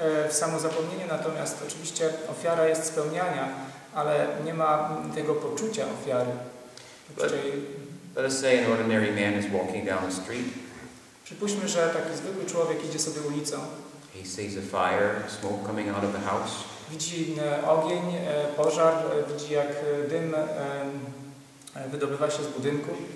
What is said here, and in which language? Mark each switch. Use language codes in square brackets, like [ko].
[pl] W samozapomnieniu natomiast oczywiście ofiara jest spełniania, ale nie ma tego poczucia ofiary. [en] Let us say an ordinary man is walking down the street. [pl] Przypuśćmy, że taki zwykły człowiek idzie sobie ulicą. [en] He sees a fire, smoke coming out of the house. [pl] Widzi ogień, pożar, widzi jak dym wydobywa się z budynku.